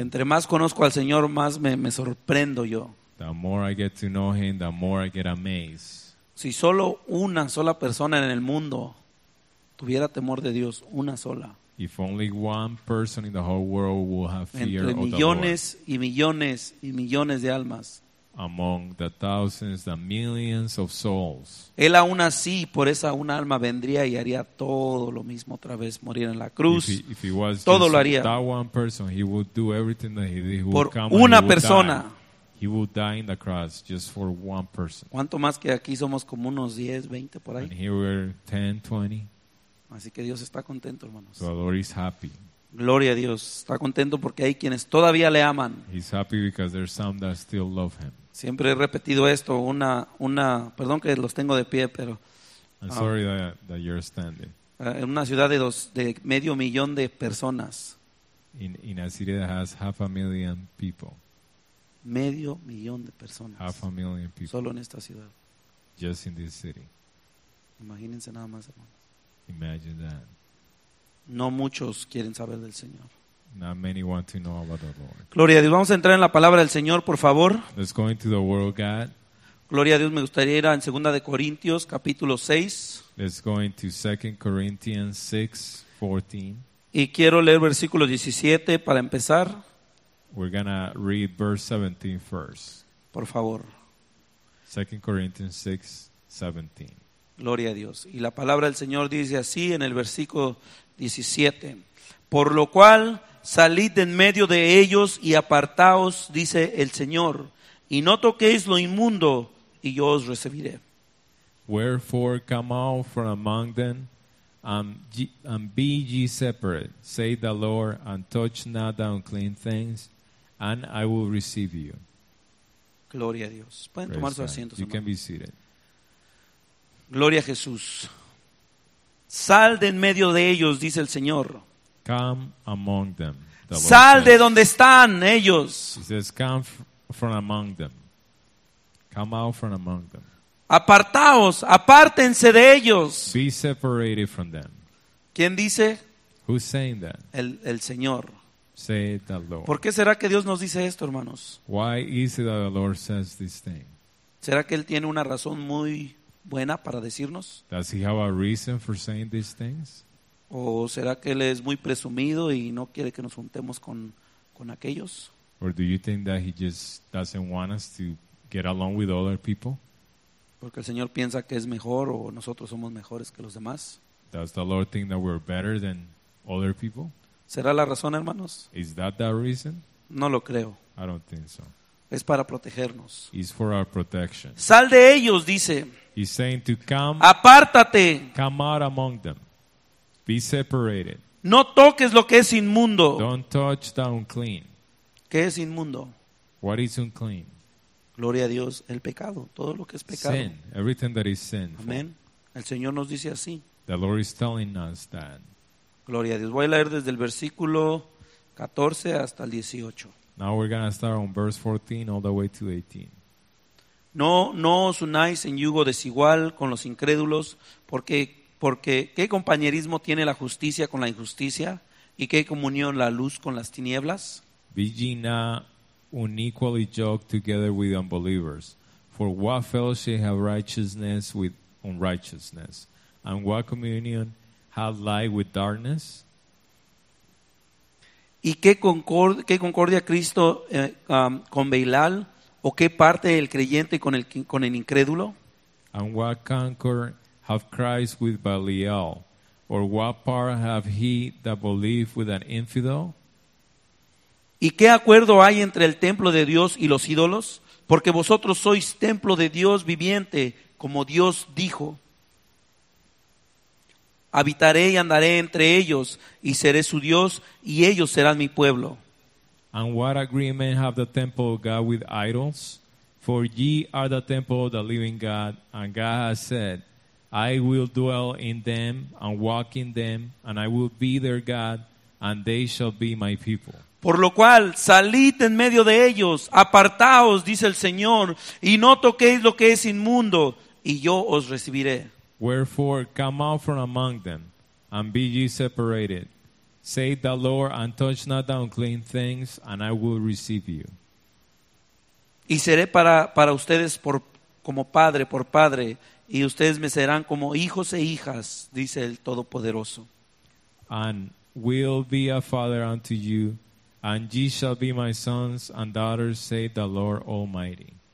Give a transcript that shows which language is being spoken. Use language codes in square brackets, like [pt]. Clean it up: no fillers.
[es] Entre más conozco al Señor, más me sorprendo yo. [en] The more I get to know him, the more I get amazed. [es] Si solo una sola persona en el mundo tuviera temor de Dios, una sola. [en] If only one person in the whole world will have fear of the Lord. [es] Entre millones y millones y millones de almas. [en] Among the thousands, the millions of souls. [es] Él aún así, por esa una alma, vendría y haría todo lo mismo otra vez, morir en la cruz. Todo lo haría. [en] That one person, he would do everything that he did. He por come una he persona. Die. He would die in the cross just for one person. [es] ¿Cuánto más que aquí somos como unos 10, 20 por ahí? [en] And here we're 10, 20. [es] Así que Dios está contento, hermanos. [en] So the Lord is happy. [es] Gloria a Dios. Está contento porque hay quienes todavía le aman. [en] He's happy because there's some that still love him. [es] Siempre he repetido esto, una perdón que los tengo de pie, pero [en] I'm sorry that you're standing. [es] En una ciudad de medio millón de personas. [en] In a city that has half a million people. [es] Medio millón de personas. [en] Half a million people. [es] Solo en esta ciudad. [en] Just in this city. [es] Imagínense nada más, hermanos. [en] Imagine that. [es] No muchos quieren saber del Señor. [en] Not many want to know about the Lord. [es] Gloria a Dios. Vamos a entrar en la palabra del Señor, por favor. [en] Let's go into the word of God. [es] Gloria a Dios. Me gustaría ir a 2 Corintios, capítulo 6. [en] Let's go into 2 Corinthians 6, 14. [es] Y quiero leer versículo 17 para empezar. [en] We're going to read verse 17 first. [es] Por favor. [en] 2 Corinthians 6, 17. [es] Gloria a Dios. Y la palabra del Señor dice así en el versículo 17. Por lo cual, salid de en medio de ellos y apartaos, dice el Señor, y no toquéis lo inmundo, y yo os recibiré. [en] Wherefore, come out from among them, and be ye separate, say the Lord, and touch not the unclean things, and I will receive you. [es] Gloria a Dios. Pueden tomar sus asientos. [en] You can be seated. [es] Gloria a Jesús. Sal de en medio de ellos, dice el Señor. [en] Come among them. [es] Sal de donde están ellos. [en] He says, come from among them. Come out from among them. [es] Apartaos, apártense de ellos. [en] Be separated from them. [es] ¿Quién dice? [en] Who's saying that? [es] El Señor. [en] Say it, the Lord. [es] ¿Por qué será que Dios nos dice esto, hermanos? [en] Why is it that the Lord says this thing? [es] ¿Será que Él tiene una razón muy buena para decirnos? [en] Does he have a reason for saying these things? [es] ¿O será que él es muy presumido y no quiere que nos juntemos con aquellos? [en] Or do you think that he just doesn't want us to get along with other people? [es] Porque el Señor piensa que es mejor o nosotros somos mejores que los demás. [en] Does the Lord think that we're better than other people? [es] ¿Será la razón, hermanos? [en] Is that the reason? [es] No lo creo. [en] I don't think so. [es] Es para protegernos. [en] It's for our protection. [es] Sal de ellos, dice. [en] He's saying to come. [es] Apártate. [en] Come out among them. Be separated. [es] No toques lo que es inmundo. [en] Don't touch the unclean. [es] ¿Qué es inmundo? [en] What is unclean? [es] Gloria a Dios, el pecado, todo lo que es pecado. [en] Sin, everything that is sin. [es] Amén. El Señor nos dice así. [en] The Lord is telling us that. [es] Gloria a Dios. Voy a leer desde el versículo 14 hasta el 18. [en] Now we're going to start on verse 14 all the way to 18. [es] No os unáis en yugo desigual con los incrédulos, porque ¿qué compañerismo tiene la justicia con la injusticia? ¿Y qué comunión la luz con las tinieblas? [en] Be ye not unequally yoked together with unbelievers. For what fellowship have righteousness with unrighteousness? And what communion have light with darkness? [es] ¿Y qué concordia Cristo con Belial? ¿O qué parte el creyente con el incrédulo? [en] And what concord have Christ with Belial? Or what part have he that believe with an infidel? [es] ¿Y qué acuerdo hay entre el templo de Dios y los ídolos? Porque vosotros sois templo de Dios viviente, como Dios dijo. Habitaré y andaré entre ellos, y seré su Dios, y ellos serán mi pueblo. [en] And what agreement have the temple of God with idols? For ye are the temple of the living God, and God has said, I will dwell in them and walk in them, and I will be their God, and they shall be my people. [es] Por lo cual, salid en medio de ellos, apartaos, dice el Señor, y no toquéis lo que es inmundo, y yo os recibiré. [en] Wherefore, come out from among them, and be ye separated, Say the Lord, and touch not the unclean things, and I will receive you. [es] Y seré para ustedes por como padre, por padre, y ustedes me serán como hijos e hijas, dice el Todopoderoso. [en] And will be a father unto you, and ye shall be my sons and daughters, say the Lord Almighty.